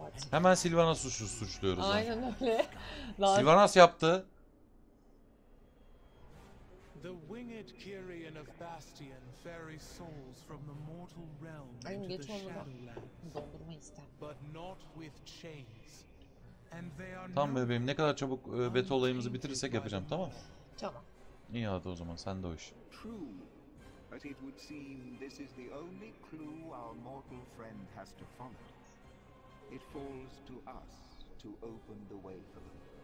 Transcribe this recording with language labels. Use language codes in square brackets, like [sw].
[tr] Hemen Sylvanas suçluyoruz. Aynen öyle. Sylvanas yaptı. [en] The winged Kyrian of Bastion ferry souls from the mortal realm into the shadowlands. But not with chains. And they are. [tr] Tamam bebeğim, ne kadar çabuk beta olayımızı bitirirsek yapacağım, tamam? Tamam. İyi hadi o zaman, sen de o iş. [en] True. But it would seem this is the only clue our mortal friend has to follow. It falls to us to open the way for them.